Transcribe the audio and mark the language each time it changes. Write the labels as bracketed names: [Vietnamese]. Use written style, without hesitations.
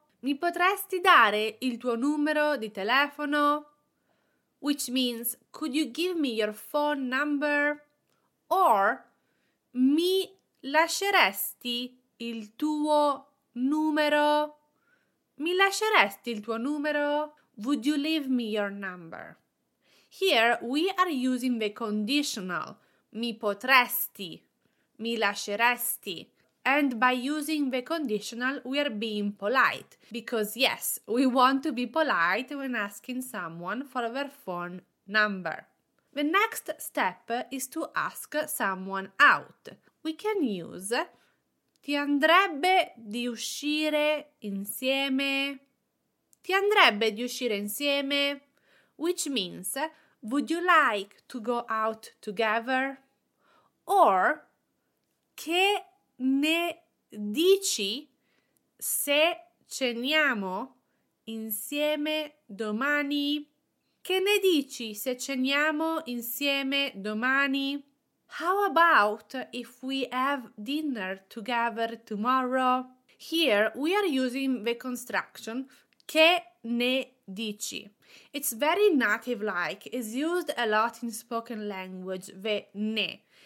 [Italian] Mi potresti dare il tuo numero di telefono? [English] Which means, could you give me your phone number? [Italian] Or, mi lasceresti il tuo numero? Mi lasceresti il tuo numero? [English] Would you leave me your number? Here we are using the conditional, [Italian] mi potresti, mi lasceresti. [English] And by using the conditional, we are being polite. Because yes, we want to be polite when asking someone for their phone number. The next step is to ask someone out. We can use: [Italian] ti andrebbe di uscire insieme? Ti andrebbe di uscire insieme? [English] Which means, would you like to go out together? [Italian] Or, che ne dici se ceniamo insieme domani? Che ne dici se ceniamo insieme domani? [English] How about if we have dinner together tomorrow? Here we are using the construction [Italian] che ne dici. [English] It's very native-like, is used a lot in spoken language, the ne.